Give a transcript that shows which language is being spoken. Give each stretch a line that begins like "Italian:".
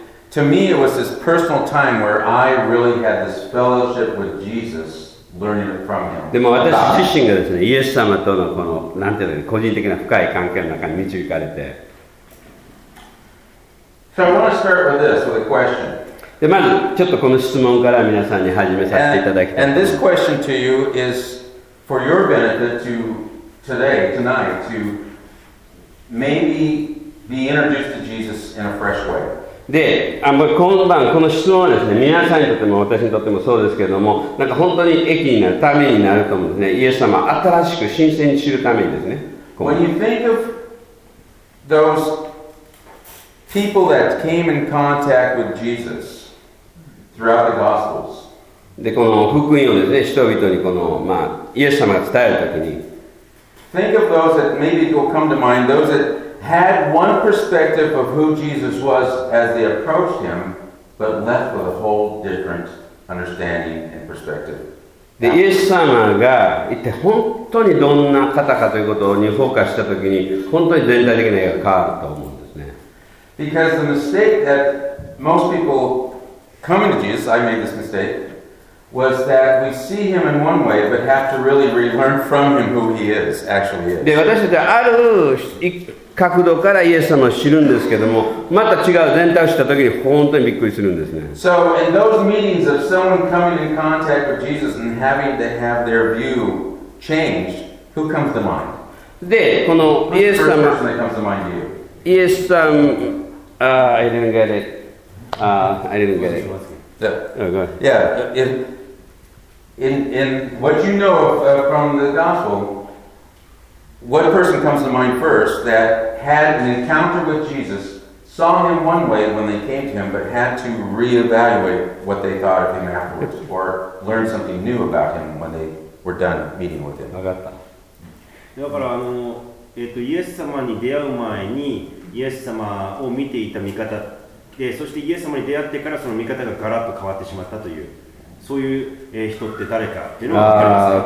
English: To me, it was this personal time where I really had this fellowship with Jesus, learning from him.
Japanese: でも私自身がですね、イエス様とのこのなんていうの、個人的な深い関係の中に導かれて。
English: So I want to start with this, with a question.
Japanese: でまずちょっとこの質問から皆さんに始めさせていただきたい。
English: And this question to you is for your benefit to today, tonight, to maybe. Be introduced to Jesus in a fresh way.
Japanese: で、あ、もう今晩この質問はですね、皆さんにとっても私にとってもそうですけれども、なんか本当に益になるためになると思うんですね。イエス様、新しく新鮮に知るためにですね。
English: When you think of those people that came in contact with Jesus throughout the Gospels,
Japanese: で、この福音をですね、人々にこの、まあ、イエス様が伝えるときに、
English: think of those that maybe will come to mind, those thathad one perspective of who Jesus was as they approached him, but left with a whole different understanding and perspective.
Japanese: で、イエス様が一体本当にどんな方かということにフォーカスしたときに、本当に全体的な絵が変わると思うんですね。
English: Because the mistake that most people coming to Jesus, I made this mistake, was that we see him in one way, but have to really relearn from him who he is, actually is.
Japanese: で、私たちはある角度からイエス様を知るんですけども、また違う全体を知った時に本当にびっくりするんですね。
English: So in those meetings of someone coming in contact with Jesus and having to have their view changed, who comes to mind?
Japanese: で、このイエス様、
English: first person that comes to mind to you? イエス様、 I didn't get it. In what you know from the gospel, what person comes to mind first thathad an encounter with Jesus, saw him one way when they came to him, but had to reevaluate what they thought of him afterwards, or learn something new about him when they we're done meeting with him.
Japanese: わかった。だからあの、イエス様に出会う前にイエス様を見ていた見方で、そしてイエス様に出会ってからその見方がガラッと変わってしまったという、そういう人って誰かっていうのが